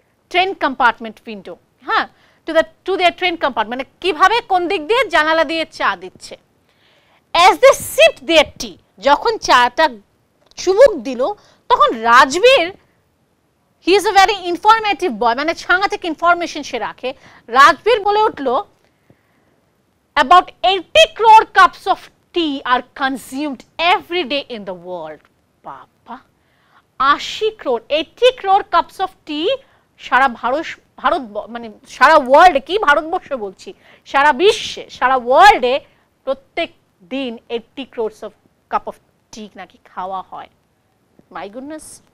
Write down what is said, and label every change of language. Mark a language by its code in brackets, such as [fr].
[en] train compartment window হ্যাঁ to the train compartment [bn] মানে কিভাবে কোন দিক দিয়ে জানালা দিয়ে চা দিচ্ছে [en] as they sip their tea [bn] যখন চাটা চুমুক দিল তখন Rajbir [en] he is a very informative boy, [bn] মানে ছাঙ্গা থেকে ইনফরমেশন সে রাখে. রাজবীর বলে উঠলো, [en] about 80 crore cups of tea are consumed every day in the world. [bn] Papa, 80 crore, 80 crore cups of tea, সারা ভারত মানে সারা ওয়ার্ল্ডে, কি ভারতবর্ষ বলছি, সারা বিশ্বে, সারা ওয়ার্ল্ডে প্রত্যেক দিন [en] 80 crores of cup of tea [bn] নাকি খাওয়া হয়. [en] My goodness.